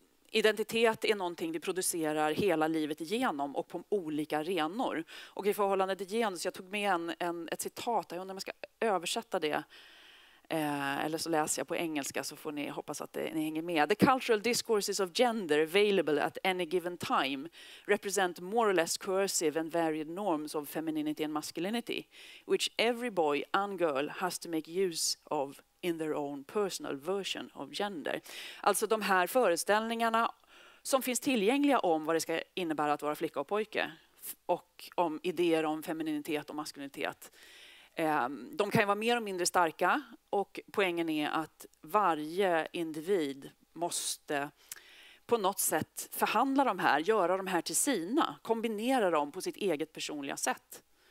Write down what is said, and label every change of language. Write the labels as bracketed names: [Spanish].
[Swedish] Identitet är någonting vi producerar hela livet igenom och på olika arenor. Och i förhållande till genus, jag tog med ett citat, jag undrar om jag ska översätta det. Eller så läser jag på engelska, så får ni hoppas att ni hänger med. [English] The cultural discourses of gender available at any given time represent more or less coercive and varied norms of femininity and masculinity, which every boy and girl has to make use of in their own personal version of gender. [Swedish] Alltså de här föreställningarna som finns tillgängliga om vad det ska innebära att vara flicka och pojke, och om idéer om femininitet och maskulinitet. De kan ju vara mer och mindre starka, och poängen är att varje individ måste på något sätt förhandla de här, göra de här till sina, kombinera dem på sitt eget personliga sätt.